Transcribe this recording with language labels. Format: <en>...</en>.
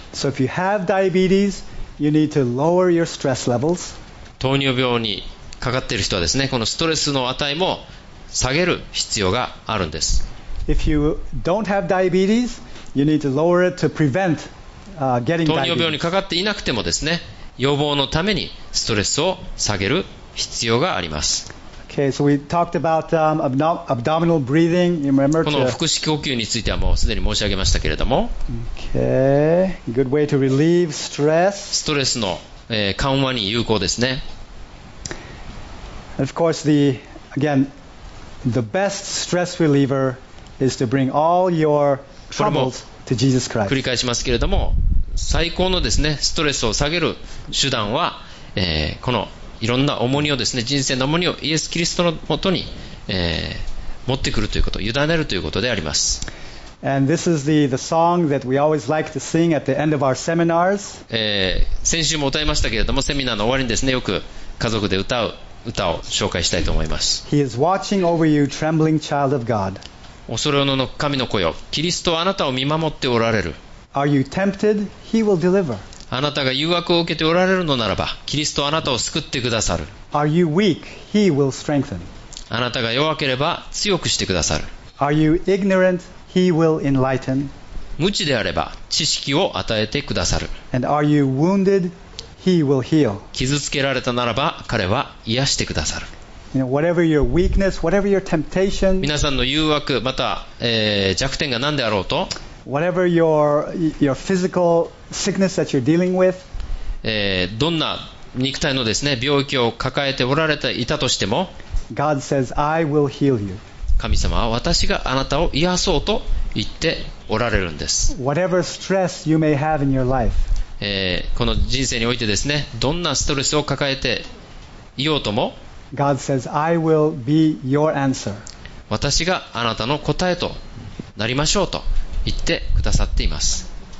<en>So if you have diabetes,You need to lower your stress levels.</en> <ja>糖尿病にかかっている人はですね、このストレスの値も下げる必要があるんです。</ja> <en>If you don't have diabetes, you need to lower it to prevent getting diabetes.</en> <ja>糖尿病にかかっていなくてもですね、予防のためにストレスを下げる必要があります。</ja> <en>Okay, so we talked about abdominal breathing. You remember?</en> <ja>この腹式呼吸についてはもうすでに申し上げましたけれども。</ja> <en>Okay, good way to relieve stress.</en> <ja>ストレスの、緩和に有効ですね。</ja> <en>Of course, the best stress reliever is to bring all your troubles to Jesus Christ.</en> <ja>繰り返しますけれども、最高のですね、ストレスを下げる手段は、このいろんな重荷をですね、人生の重荷をイエス・キリストのもとに、持ってくるということ、委ねるということであります。</ja> <en>And this is the song that we always like to sing at the end of our seminars.</en> <ja>先週も歌いましたけれども、セミナーの終わりにですね、よく家族で歌う歌を紹介したいと思います。</ja> <en>He is watching over you, trembling child of God.</en> <ja>恐れおのの神の子よ、キリストはあなたを見守っておられる。</ja> <en>Are you tempted? He will deliver.</en> <ja>あなたが誘惑を受けておられるのならば、キリストはあなたを救ってくださる。</ja> <en>Are you weak? He will strengthen.</en> <ja>あなたが弱ければ強くしてくださる。</ja> <en>Are you ignorant? He will enlighten.</en> <ja>無知であれば知識を与えてくださる。</ja> <en>And are you wounded? He will heal.</en> <ja>傷つけられたならば彼は癒してくださる。</ja> <en>You know, whatever your weakness, whatever your temptation,</en> <ja>皆さんの誘惑また、弱点が何であろうと、</ja> <en>whatever your physical sickness that you're dealing with,</en> <ja>どんな肉体のですね、病気を抱えておられていたとしても、</ja> <en>God says, I will heal you.</en> <ja>神様は私があなたを癒そうと言っておられるんです。</ja> <en>Whatever stress you may have in your life,</en> <ja>この人生においてですね、どんなストレスを抱えていようとも、</ja> <en>God says, I will be your answer.</en> <ja>私があなたの答えとなりましょうと言ってくださっています。</ja>